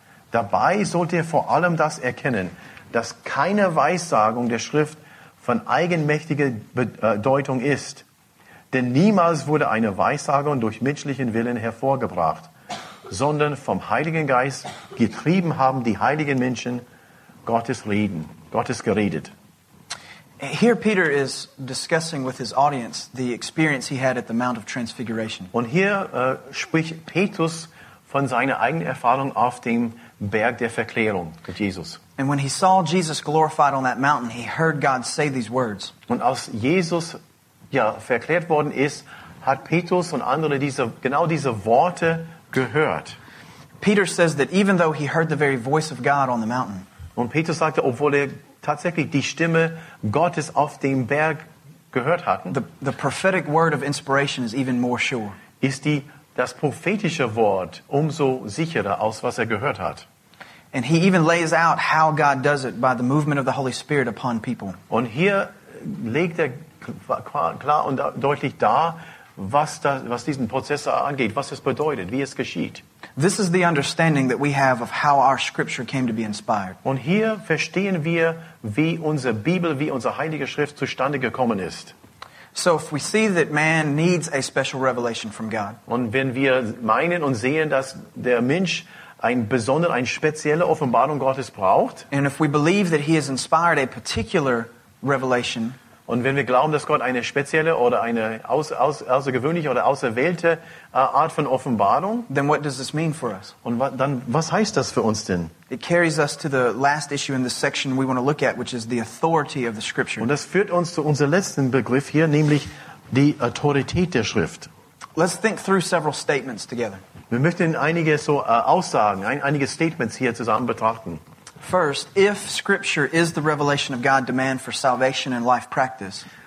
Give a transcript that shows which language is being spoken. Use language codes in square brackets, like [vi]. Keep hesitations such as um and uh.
[de] Dabei sollt ihr vor allem das erkennen, dass keine Weissagung der Schrift von eigenmächtiger Bedeutung ist. Denn niemals wurde eine Weissagung durch menschlichen Willen hervorgebracht, sondern vom Heiligen Geist getrieben haben die heiligen Menschen Gottes Reden, Gottes geredet. [en] Here Peter is discussing with his audience the experience he had at the Mount of Transfiguration. [de] Und hier äh, spricht Petrus von seiner eigenen Erfahrung auf dem Berg der Verklärung mit Jesus. [en] And when he saw Jesus glorified on that mountain, he heard God say these words. [de] Und als Jesus ja verklärt worden ist, hat Petrus und andere diese genau diese Worte gehört. [en] Peter says that even though he heard the very voice of God on the mountain. [de] Und Peter sagte, obwohl er tatsächlich die Stimme Gottes auf dem Berg gehört hat, [en] the, the prophetic word of inspiration is even more sure. [de] Ist die das prophetische Wort umso sicherer aus was er gehört hat. [en] And he even lays out how God does it by the movement of the Holy Spirit upon people. [de] Und here, legt er klar und deutlich dar, was, das, was diesen Prozess angeht, was es bedeutet, wie es geschieht. [en] This is the understanding that we have of how our scripture came to be inspired. [de] Und hier verstehen wir, wie unsere Bibel, wie unsere heilige Schrift zustande gekommen ist. [en] So if we see that man needs a special revelation from God. [de] Und wenn wir meinen und sehen, dass der Mensch ein besonder eine spezielle offenbarung gottes braucht [en] and if we believe that he has inspired a particular revelation [de] und wenn wir glauben dass gott eine spezielle oder eine aus, aus, außergewöhnliche oder auserwählte uh, art von offenbarung [en] then what does this mean for us [de] und wa, dann was heißt das für uns denn [en] it carries us to the last issue in the section we want to look at which is the authority of the scripture [de] und das führt uns zu unserem letzten begriff hier nämlich die autorität der schrift [en] let's think through several statements together [de] Wir möchten einige so äh, Aussagen, ein, einige Statements hier zusammen betrachten. [en] First, if scripture is the revelation of God demand for salvation and life practice.